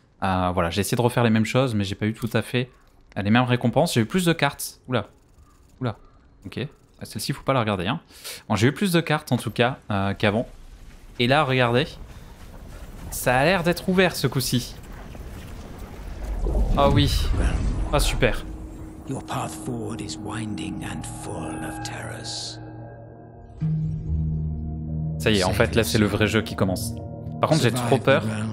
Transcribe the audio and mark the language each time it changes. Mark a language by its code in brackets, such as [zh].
[fr] Voilà, j'ai essayé de refaire les mêmes choses, mais j'ai pas eu tout à fait. Les mêmes récompenses, j'ai eu plus de cartes. Oula. Oula. Ok. Celle-ci, faut pas la regarder. Hein. Bon, j'ai eu plus de cartes en tout cas qu'avant. Et là, regardez. Ça a l'air d'être ouvert ce coup-ci. Oh oui. Ah, super. [en] Your path forward is winding and full of terrors. [fr] Ça y est, en fait, là, c'est le vrai jeu qui commence. Par contre, j'ai trop peur.